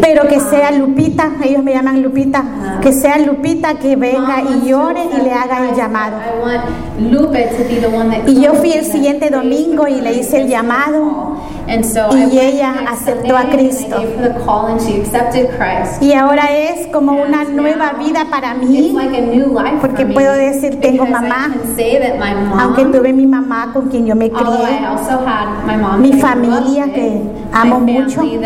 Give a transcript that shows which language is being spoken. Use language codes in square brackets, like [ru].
[es] pero que sea Lupita, ellos me llaman Lupita, que sea Lupita que venga y llore y le haga el llamado. [en] I want Lupe to be the one that [es] y yo fui el siguiente domingo y le hice el llamado. [en] And so [es] y ella aceptó a Cristo. [en] And they gave her the call and she accepted Christ. [es] Y ahora es como una nueva vida para mí. [en] It's like a new life [es] porque [en] for me. [es] Puedo decir, tengo mamá. Aunque tuve mi mamá con quien yo me crié. Mi familia que amo mucho.